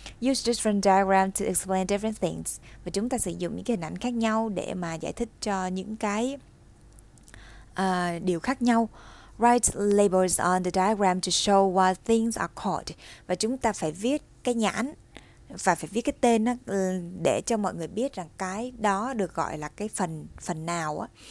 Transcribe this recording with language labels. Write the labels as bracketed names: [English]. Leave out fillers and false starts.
[English] Use different diagrams to explain different things. [Vietnamese] Và chúng ta sử dụng những cái hình ảnh khác nhau để mà giải thích cho những cái điều khác nhau. [English] Write labels on the diagram to show what things are called. [Vietnamese] Và chúng ta phải viết cái nhãn và phải viết cái tên đó, để cho mọi người biết rằng cái đó được gọi là cái phần nào á.